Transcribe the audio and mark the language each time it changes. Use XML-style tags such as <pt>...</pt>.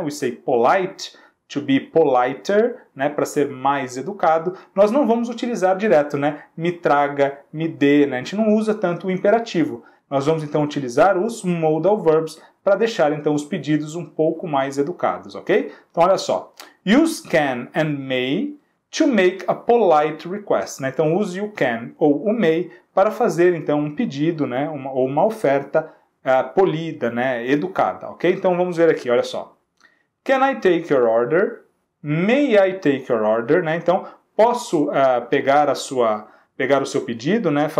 <en>We say polite, to be politer, né?</en> <pt>Para ser mais educado, nós não vamos utilizar direto, né? Me traga, me dê, né? A gente não usa tanto o imperativo. Nós vamos, então, utilizar os modal verbs para deixar, então, os pedidos um pouco mais educados, ok? Então, olha só.</pt> <en>Use can and may to make a polite request, né?</en> <pt>Então, use o can ou o may para fazer, então, um pedido, né? Uma oferta polida, né? Educada, ok? Então, vamos ver aqui, olha só.</pt> <en>Can I take your order? May I take your order?</en> <pt>Né? Então, posso pegar o seu pedido, né?</pt>